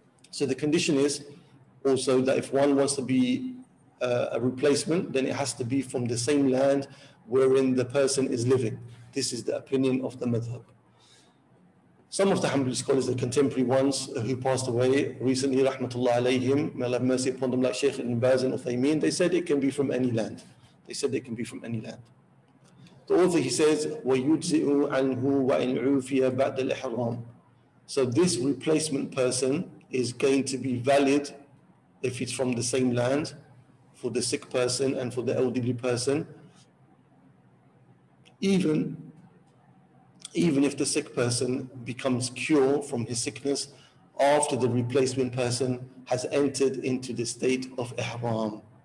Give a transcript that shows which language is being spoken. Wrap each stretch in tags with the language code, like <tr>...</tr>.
<en>So the condition is also that if one wants to be a replacement, then it has to be from the same land wherein the person is living. This is the opinion of the madhab. Some of the Hanbali scholars, the contemporary ones who passed away recently, rahmatullah alayhim, may Allah have mercy upon them, like Shaykh Ibn Baz and Uthaymeen, they said it can be from any land. They said it can be from any land. The author, he says,</en> <ar>وَيُجْزِئُ عَنْهُ وَإِنْ عُوفِيَ بَعْدَ الْإِحْرَامِ.</ar> <en>So this replacement person is going to be valid if it's from the same land, for the sick person and for the elderly person, even if the sick person becomes cured from his sickness after the replacement person has entered into the state of ihram.</en>